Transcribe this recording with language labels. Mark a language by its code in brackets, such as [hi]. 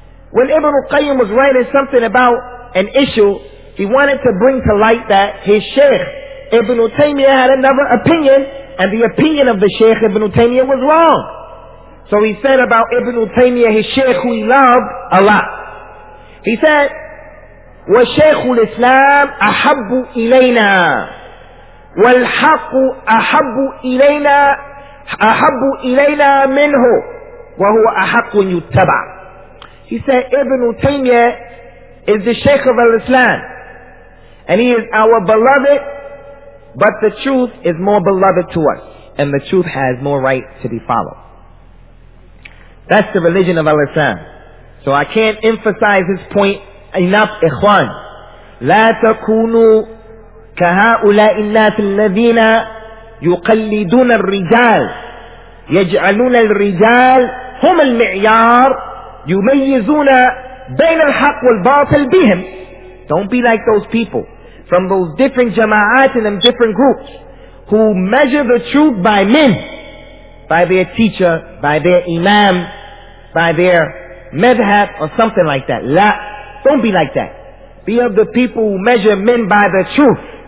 [en] When Ibn Qayyim was writing something about an issue, he wanted to bring to light that his sheikh, Ibn Taymiyyah, had another opinion, and the opinion of the sheikh, Ibn Taymiyyah, was wrong. So he said about Ibn Taymiyyah, his sheikh, who he loved a lot. He said, [ar] وشيخ الإسلام أحب إلينا والحق أحب إلينا أحب إلينا منه وهو أحق يتبع. [en] He said, Ibn Taymiyyah is the Shaykh of Al-Islam. And he is our beloved, but the truth is more beloved to us. And the truth has more right to be followed. That's the religion of Al-Islam. So I can't emphasize this point enough, ikhwan. [ar] لا تكونوا كهؤلاء الناس الذين يقلدون الرجال يجعلون الرجال هم المعيار يميزون بين الحق والباطل بهم. [en] Don't be like those people from those different jama'at and them different groups who measure the truth by men, by their teacher, by their imam, by their madhab or something like that. لا, don't be like that. Be of the people who measure men by the truth.